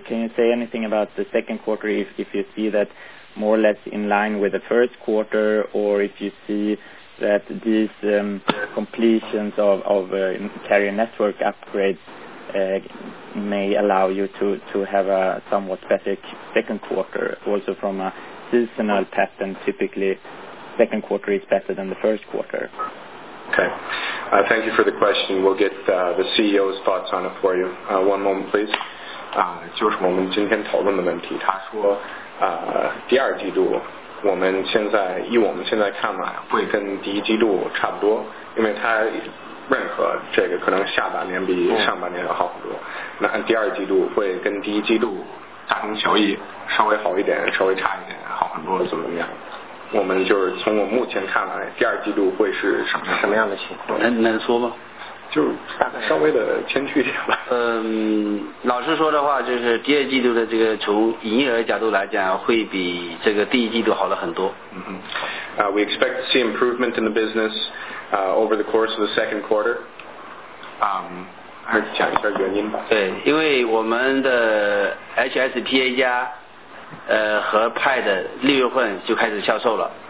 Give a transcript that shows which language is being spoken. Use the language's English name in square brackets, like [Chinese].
[English] Can you say anything about the second quarter if you see that more or less in line with the first quarter, or if you see that these completions of carrier network upgrades may allow you to have a somewhat better second quarter, also from a seasonal pattern, typically second quarter is better than the first quarter. Okay. Thank you for the question. We'll get the CEO's thoughts on it for you. One moment, please. [Chinese] 就是我们今天讨论的问题，他说，第二季度我们现在以我们现在看来会跟第一季度差不多，因为他认可这个可能下半年比上半年要好很多。那第二季度会跟第一季度大同小异，稍微好一点，稍微差一点，好很多，怎么样？我们就是从我目前看来，第二季度会是什么样的情况？能说吗？就是大概稍微的谦虚一点吧。老实说的话，就是第二季度的这个从营业额角度来讲，会比这个第一季度好了很多。 [English] We expect to see improvement in the business over the course of the second quarter. [Chinese] 还是讲一下原因吧。对，因为我们的 HSPA 加。和 Pad 六月份就开始销售了。